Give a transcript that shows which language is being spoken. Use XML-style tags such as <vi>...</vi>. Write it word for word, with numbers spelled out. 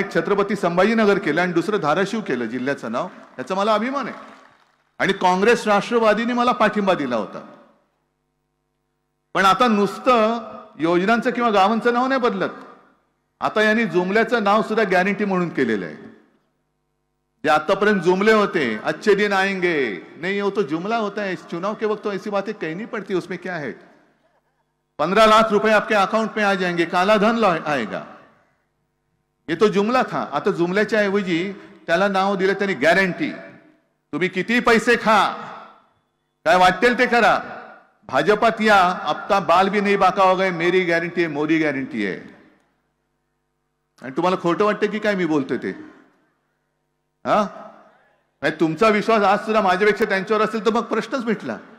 <mr>एक छत्रपती संभाजीनगर केलं आणि दुसरं धाराशिव केलं जिल्ह्याचं नाव, याचा मला अभिमान आहे. आणि काँग्रेस राष्ट्रवादीने मला पाठिंबा दिला होता. पण आता नुसतं योजनांचं किंवा गावांचं नाव नाही बदलत. आता यांनी जुमल्याचं नाव सुद्धा गॅरंटी म्हणून केलेलं आहे. जे आतापर्यंत जुमले होते,</mr> <hi>अच्छे दिन आएंगे, नहीं हो तो जुमला होता है, इस चुनाव के वक्त तो ऐसी बातें कहीं नहीं पड़ती, उसमें क्या है. पंद्रह लाख रुपए आपके अकाउंट में आ जाएंगे, काला धन आएगा, ये तो जुमला था.</hi> <mr>आता जुमल्याच्या ऐवजी त्याला नाव दिलं त्यांनी गॅरंटी. तुम्ही किती पैसे खा, काय वाटेल ते करा, भाजपात या,</mr> <hi>आपका बाल भी नहीं बाका हो गए,</hi> <mr>मेरी गॅरंटी आहे, मोदी गॅरंटी आहे. आणि तुम्हाला खोटं वाटतं की काय मी बोलतोय ते? हा, तुमचा विश्वास आज सुद्धा माझ्यापेक्षा त्यांच्यावर असेल तर मग प्रश्नच मिटला.</mr>